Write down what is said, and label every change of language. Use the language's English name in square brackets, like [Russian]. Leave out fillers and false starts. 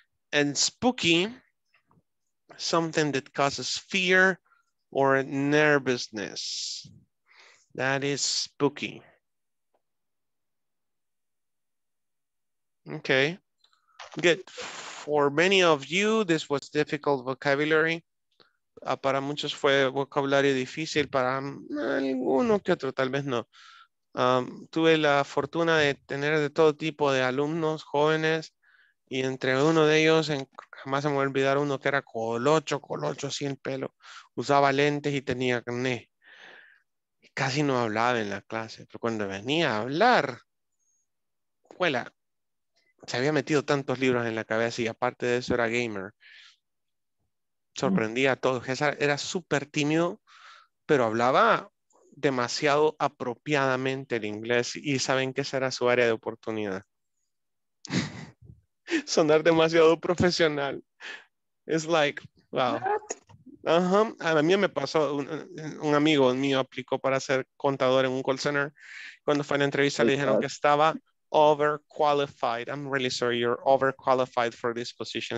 [English] And spooky, something that causes fear or nervousness. That is spooky. Okay, good. For many of you, this was difficult vocabulary. [Spanish] Para muchos fue vocabulario difícil, para alguno que otro tal vez no. Tuve la fortuna de tener de todo tipo de alumnos jóvenes, y entre uno de ellos, jamás se me va a olvidar uno que era colocho, así el pelo, usaba lentes y tenía acné. Casi no hablaba en la clase, pero cuando venía a hablar, huela. Se había metido tantos libros en la cabeza y aparte de eso era gamer. Sorprendía a todos. Era súper tímido, pero hablaba demasiado apropiadamente el inglés y saben que esa era su área de oportunidad. Sonar demasiado profesional. [English] It's like, wow. [Spanish] A mí me pasó, un amigo mío aplicó para ser contador en un call center. Cuando fue a la entrevista le dijeron que estaba overqualified. [English] I'm really sorry, you're overqualified for this position.